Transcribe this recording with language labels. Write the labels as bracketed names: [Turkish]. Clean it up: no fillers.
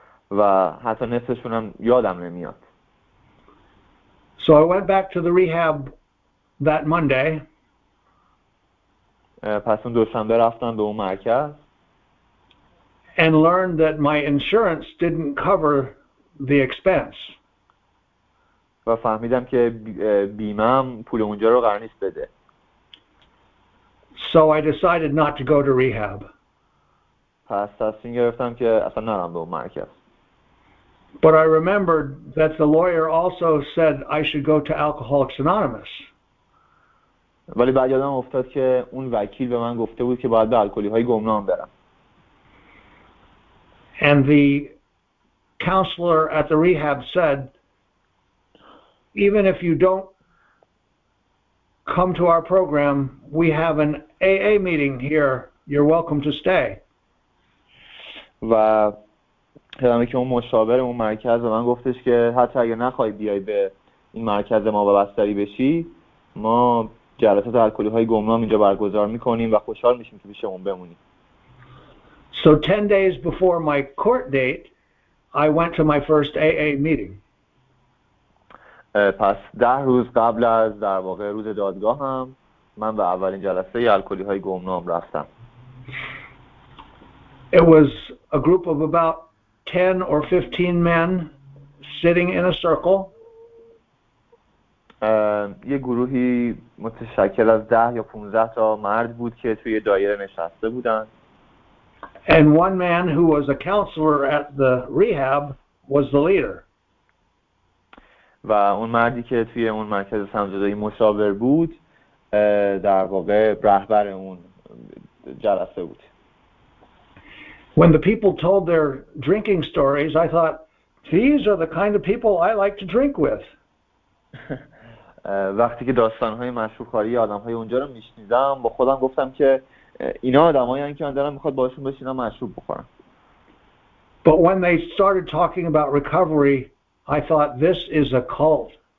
[Persian] و حتی نصفشون هم یادم نمیاد. [English] So I went back to the rehab that Monday. [Persian] پس اون دوشنبه رفتم به اون مرکز. [English] And learned that my insurance didn't cover the expense. [Persian] و فهمیدم که بیمه‌ام پول اونجا رو قرار نیست بده. [English] So I decided not to go to rehab. [Persian] پس تصمیم گرفتم که اصلا نرم به اون مرکز. [English] But I remembered that the lawyer also said I should go to Alcoholics Anonymous. [Persian] ولی بعد یادم افتاد که اون وکیل به من گفته بود که باید به الکلی‌های گمنام برم. [English] And the counselor at the rehab said, even if you don't come to our program, we have an AA meeting here. You're welcome to stay. [Persian] و همه که اون مشاور اون مرکز و من گفتش که حتی اگه نخوای بیای به این مرکز ما و بستری بشی، ما جلسات الکلی های گمنام اینجا برگزار میکنیم و خوشحال میشیم که پیش اون بمونیم. [English] So 10 days before my court date, I went to my first AA meeting. [Persian] پس 10 روز قبل از در واقع روز دادگاهم من به اولین جلسه الکلی های گمنام رفتم. [English] It was a group of about 10 or 15 men sitting in a circle. [Persian] یه گروهی متشکل از 10 یا 15 تا مرد بود که توی دایره نشسته بودن. [English] And one man who was a counselor at the rehab was the leader. [Persian] و اون مردی که توی اون مرکز سمزدایی مشاور بود در واقع رهبر اون جلسه بود. [English] When the people told their drinking stories, I thought, these are the kind of people I like to drink with. [Persian] وقتی که داستان‌های مشروب‌خواری آدم‌های اونجا رو می‌شنیدم، با خودم گفتم که اینا آدمایی هستند که من دلم می‌خواد باهاشون بشینم مشروب بخورم. [English] But when they started talking about recovery, I thought, this is a cult.